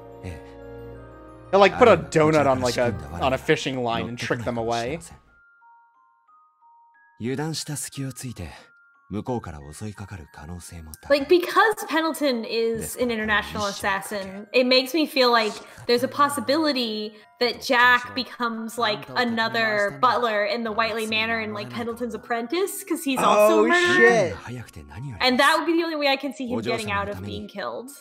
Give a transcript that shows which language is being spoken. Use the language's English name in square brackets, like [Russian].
[English] They like put a donut on like on a fishing line and trick them away. [Japanese] 油断した隙をついて向こうから襲いかかる可能性も高い。 [English] Like because Pendleton is an international assassin, it makes me feel like there's a possibility that Jack becomes like another butler in the Whiteley Manor and like Pendleton's apprentice because he's also murdered. Oh shit! And that would be the only way I can see him getting out of being killed.